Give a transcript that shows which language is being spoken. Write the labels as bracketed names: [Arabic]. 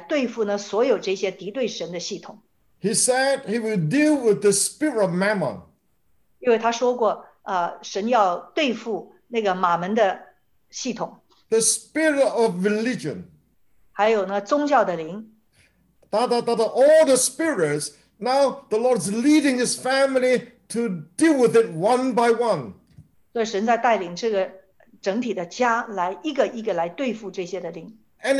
[Chinese] 会不会神现在在遭聚这些寻求他的面与他同行的活石，遭聚在一起，就可以来对付呢所有这些敌对神的系统？ [English] He said He will deal with the spirit of Mammon. [Chinese] 因为他说过，神要对付那个马门的系统。 [English] The spirit of religion. [Chinese] 还有呢，宗教的灵。 [English] All the spirits, now the Lord is leading His family to deal with it one by one. [Chinese] 对，神在带领这个整体的家来一个一个来对付这些的灵。 [English] And